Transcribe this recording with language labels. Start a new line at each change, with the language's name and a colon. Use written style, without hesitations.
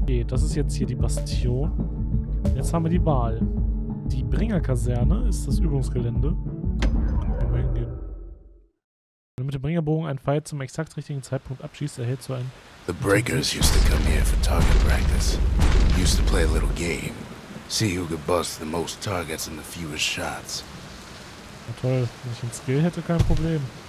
German: Okay, das ist jetzt hier die Bastion. Jetzt haben wir die Wahl. Die Bringerkaserne ist das Übungsgelände. Wenn du mit dem Bringerbogen einen Pfeil zum exakt richtigen Zeitpunkt abschießt, erhältst du einen.
English: The Breakers used to come here for target practice. Used to play a little game. See who could bust the most targets in the fewest shots.
German: Na toll, wenn ich einen Skill hätte, kein Problem.